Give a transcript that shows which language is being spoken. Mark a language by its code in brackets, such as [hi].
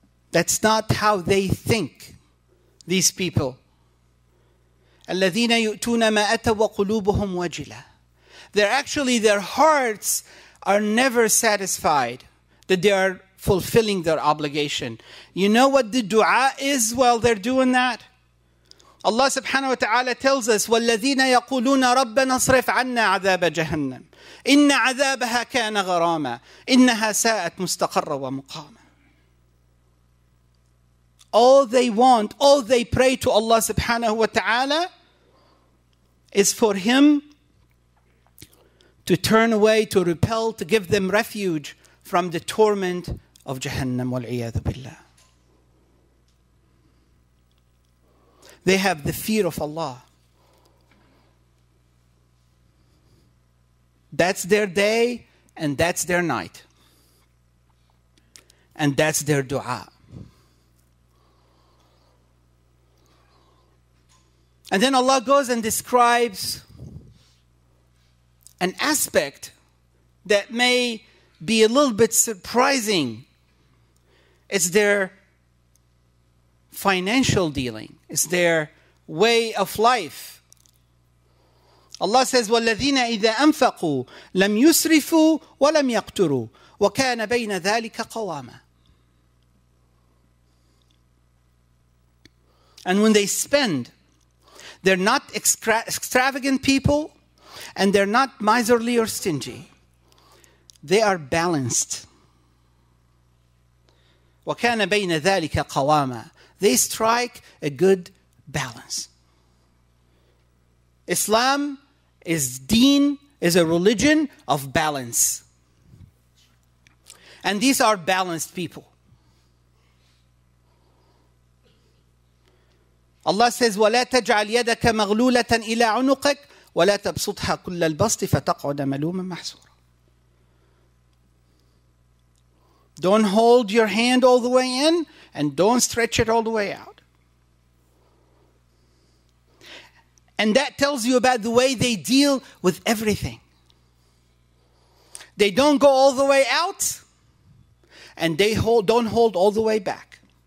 [en] That's not how they think, these people. [ar] الَّذِينَ يُؤْتُونَ مَا أَتَوْا وَقُلُوبُهُمْ وَجِلَةً. [en] They're actually, their hearts are never satisfied that they are fulfilling their obligation. You know what the dua is while they're doing that? Allah subhanahu wa ta'ala tells us, [ar] وَالَّذِينَ يَقُولُونَ رَبَّنَا اصْرِفْ عَنَّا عَذَابَ جَهَنَّمْ إِنَّ عَذَابَهَا كَانَ غَرَامًا إِنَّهَا سَاءَتْ مُسْتَقَرَّ وَمُقَامًا. [en] All they want, all they pray to Allah subhanahu wa ta'ala is for Him to turn away, to repel, to give them refuge from the torment of Jahannam [ar] wal-iyadu billah. [en] They have the fear of Allah. That's their day and that's their night. And that's their dua. And then Allah goes and describes an aspect that may be a little bit surprising. It's their financial dealing. It's their way of life. Allah says, [ar] وَالَّذِينَ إِذَا أَنفَقُوا لَمْ يُسْرِفُوا وَلَمْ يَقْتُرُوا وَكَانَ بَيْنَ ذَلِكَ قَوَامًا. [en] And when they spend, they're not extravagant people, and they're not miserly or stingy. They are balanced. [ar] وَكَانَ بَيْنَ ذَلِكَ قَوَامًا. [en] They strike a good balance. Islam is deen, is a religion of balance. And these are balanced people. Allah says, [ar] وَلَا تَجْعَلْ يَدَكَ مَغْلُولَةً إِلَى عُنُقِكَ وَلَا تَبْسُطْهَا كُلَّ الْبَسْطِ فَتَقْعُدَ مَلُومًا مَحْسُورًا. [en] Don't hold your hand all the way in, and don't stretch it all the way out. And that tells you about the way they deal with everything. They don't go all the way out, and they don't hold all the way back.